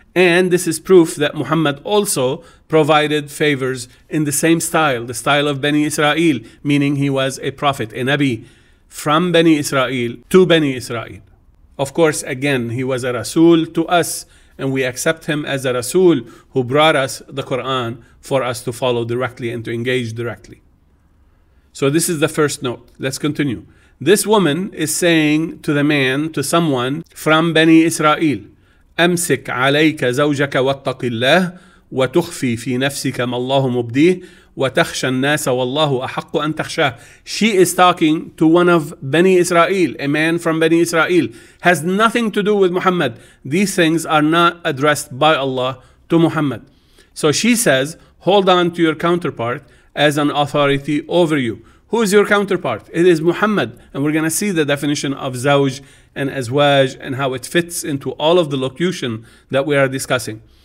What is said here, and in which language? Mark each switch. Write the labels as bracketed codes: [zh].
[en] And this is proof that Muhammad also provided favors in the same style, the style of Bani Israel, meaning he was a prophet, a Nabi, from Bani Israel to Bani Israel. Of course, again, he was a Rasul to us, and we accept him as a Rasul who brought us the Quran for us to follow directly and to engage directly. So this is the first note. Let's continue. This woman is saying to the man, to someone from Bani Israel, [ar] أمسك عليك زوجك واتق الله وتخفي في نفسك ما الله مبديه وتخشى الناس والله أحق أن تخشاه. [en] She is talking to one of Bani Israel, a man from Bani Israel. Has nothing to do with Muhammad. These things are not addressed by Allah to Muhammad. So she says, hold on to your counterpart as an authority over you. Who is your counterpart? It is Muhammad. And we're going to see the definition of Zawj and Azwaj and how it fits into all of the locution that we are discussing.